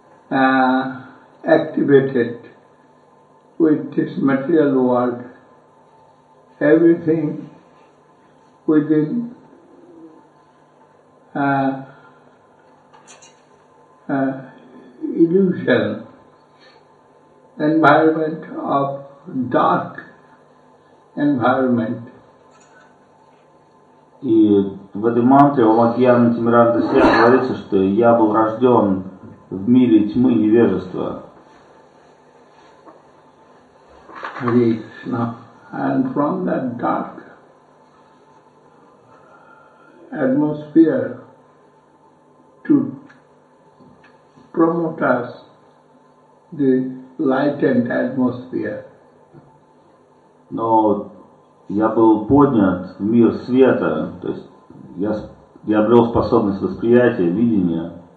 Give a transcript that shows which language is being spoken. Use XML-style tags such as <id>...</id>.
<en>activated with this material world, everything within illusion, environment of dark environment.</en> <ru>И в этой мантре Омакьяна Тимиранда Сен говорится, что я был рожден в мире тьмы и невежества.</ru> <en>And from that dark atmosphere to promote us the lightened atmosphere.</en> <ru>Но я был поднят в мир света, то есть я обрел способность восприятия, видения.</ru>